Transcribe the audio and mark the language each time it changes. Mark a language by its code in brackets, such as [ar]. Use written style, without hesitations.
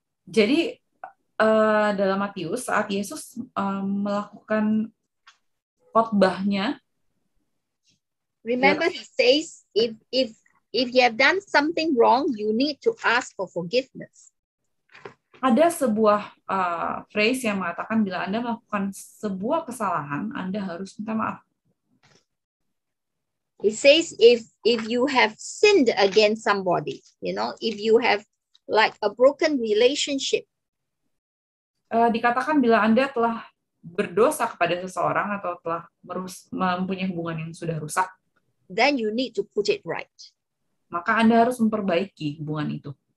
[id] Jadi dalam Matius saat Yesus melakukan khotbahnya, [en] remember he says if you have done something wrong, you need to ask for forgiveness. [id] Ada sebuah phrase yang mengatakan bila Anda melakukan sebuah kesalahan, Anda harus minta maaf. [en] It says if you have sinned against somebody, you know, if you have like a broken relationship. [id] Dikatakan bila Anda telah berdosa kepada seseorang atau telah mempunyai hubungan yang sudah rusak, [en] then you need to put it right. [id] Maka Anda harus memperbaiki hubungan itu.